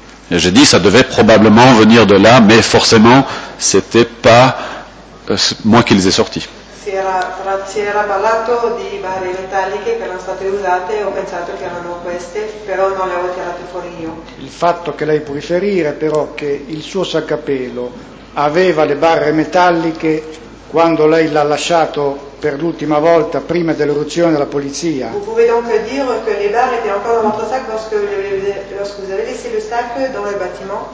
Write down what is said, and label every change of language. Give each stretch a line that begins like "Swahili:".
French: Et j'ai dit, ça devait probablement venir de là, mais forcément, c'était pas moi qui les ai sortis.
Italian: Si era parlato di barre metalliche che erano state usate, ho pensato che erano queste, però non le avevo tirate fuori io. Il fatto che lei può riferire però che il suo sac a pelo aveva le barre metalliche quando lei l'ha lasciato per l'ultima volta prima dell'eruzione della polizia.
French: Vous pouvez donc dire que les barres étaient encore dans votre sac lorsque vous avez laissé le sac dans le bâtiment